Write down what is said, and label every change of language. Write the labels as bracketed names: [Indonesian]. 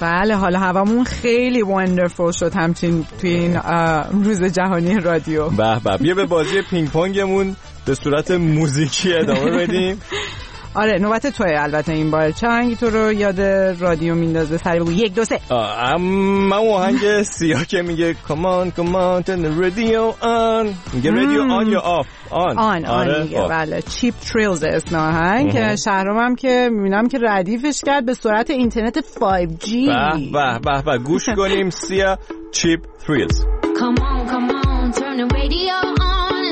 [Persian] بله، حالا هوامون خیلی وندرفول شد همچنین توی این روز جهانی رادیو. به به، بیا به بازی پینگ پونگمون به صورت موزیکی ادامه بدیم. آره، نوبت توه البته این بار. چه آهنگی تو رو یاد رادیو میندازه؟ سری بگو. 1 2 3. من آهنگ سیاه که میگه [English] Come on, come on, turn the radio on. [Persian] میگه رادیو آن یا آف؟ آن آن. آره، آن میگه. بله، چیپ تریلز اسم آهنگ. شهرام هم که میبینم که ردیفش کرد به صورت اینترنت 5G. به به به، گوش کنیم. سیاه، چیپ تریلز. [English] Come on, come on, turn the radio on.